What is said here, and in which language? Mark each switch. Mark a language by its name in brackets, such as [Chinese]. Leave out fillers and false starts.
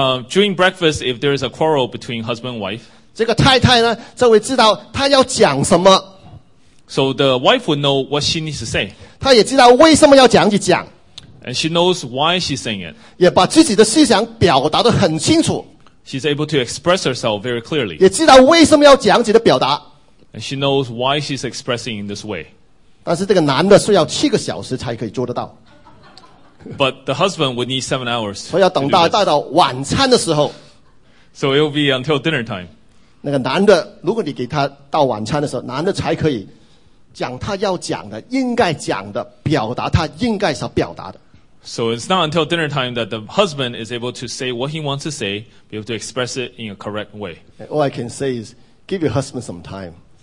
[English] during breakfast, if there is a quarrel between husband and wife, [Chinese] 这个太太呢，就会知道她要讲什么。 [English] So the wife would know what she needs to say. [Chinese] 她也知道为什么要这样去讲。 [English] And she knows why she's saying it. [Chinese] 也把自己的思想表达得很清楚。 [English] She's able to express herself very clearly. [Chinese] 也知道为什么要这样子的表达。 [English] And she knows why she's expressing in this way. [Chinese] 但是这个男的是要7个小时才可以做得到。 [English] But the husband would need 7 hours. [Chinese] 所以要等到晚餐的时候。 [English] So it will be until dinner time. [Chinese] 那个男的，如果你给他到晚餐的时候，男的才可以。讲他要讲的，应该讲的，表达他应该想表达的。 [English] So it's not until dinner time that the husband is able to say what he wants to say, be able to express it in a correct way. All I can say is, give your husband some time.